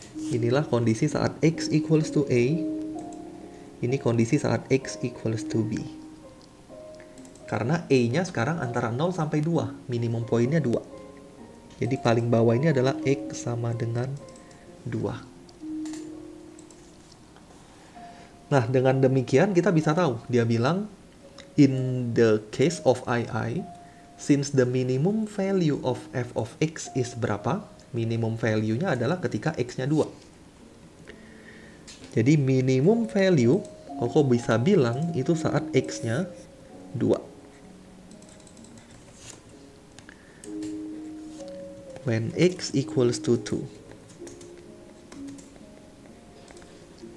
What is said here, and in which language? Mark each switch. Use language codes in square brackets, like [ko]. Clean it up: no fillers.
[id] Inilah kondisi saat X [en] equals to A. [id] Ini kondisi saat X [en] equals to B. [id] Karena A-nya sekarang antara 0 sampai 2. Minimum poinnya 2. Jadi paling bawah ini adalah X sama dengan 2. Nah, dengan demikian kita bisa tahu. Dia bilang, [en] in the case of II, since the minimum value of f of x is [id] berapa? [en] Minimum value- [id] nya adalah ketika x-nya 2. Jadi [en] minimum value, [id] Koko bisa bilang itu saat x-nya 2. [en] When x equals to 2.